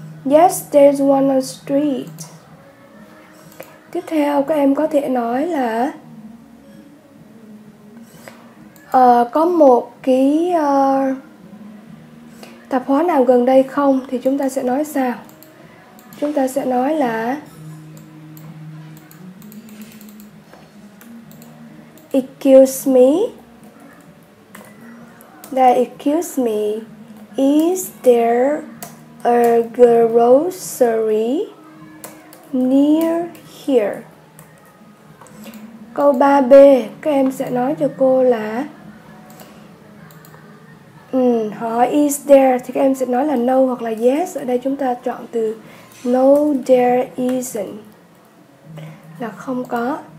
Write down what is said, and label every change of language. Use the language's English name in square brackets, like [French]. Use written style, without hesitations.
[English] Yes, there's one on the street. [Vietnamese] Tiếp theo, các em có thể nói là có một cái tạp hóa nào gần đây không? Thì chúng ta sẽ nói sao? Chúng ta sẽ nói là [English] excuse me. That excuse me, is there a grocery near here? [Vietnamese] Câu 3B, các em sẽ nói cho cô là hỏi [English] is there, [Vietnamese] thì các em sẽ nói là no hoặc là yes. Ở đây chúng ta chọn từ [English] no, there isn't, [Vietnamese] là không có.